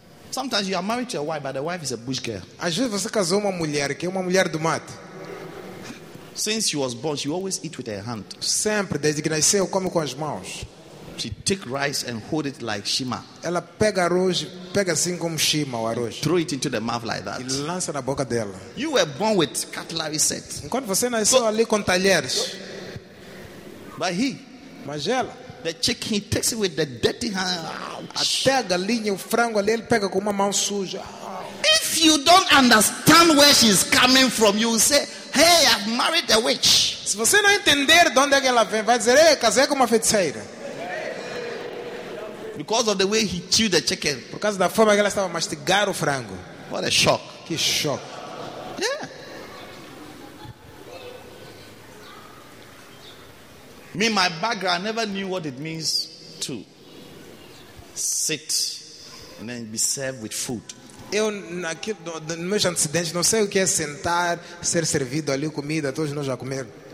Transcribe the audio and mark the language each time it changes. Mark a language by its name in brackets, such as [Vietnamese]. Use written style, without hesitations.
[English] Sometimes you are married to a wife, but the wife is a bush girl. [Portuguese] Às vezes você casou uma mulher que é uma mulher do mato. [English] Since she was born, she always eat with her hand. [Portuguese] Sempre desde que nasceu come com as mãos. [English] She take rice and hold it like shima. [Portuguese] Ela pega arroz, pega assim como shima o arroz. [English] Throw it into the mouth like that. [Portuguese] E lança na boca dela. [English] You were born with cutlery set. [Portuguese] Enquanto você nasceu ali com talheres. [English] But he, [Portuguese] mas ela, [English] the chicken he takes it with the dirty hand. [Portuguese] Até a galinha, o frango ali, ele pega com uma mão suja. [English] If you don't understand where she's coming from, you will say, "Hey, I've married a witch." [Portuguese] Se você não entender de onde é que ela vem, vai dizer, "Ei, casei com uma feiticeira." [English] Because of the way he chewed the chicken. [Portuguese] Por causa da forma que ela estava mastigar o frango. [English] What a shock. [Portuguese] Que shock. [English] Yeah. Me, my background, I never knew what it means to sit and then be served with food. [Portuguese] Eu, nos meus antecedentes, não sei o que é sentar, ser servido ali comida, todos nós já comeram.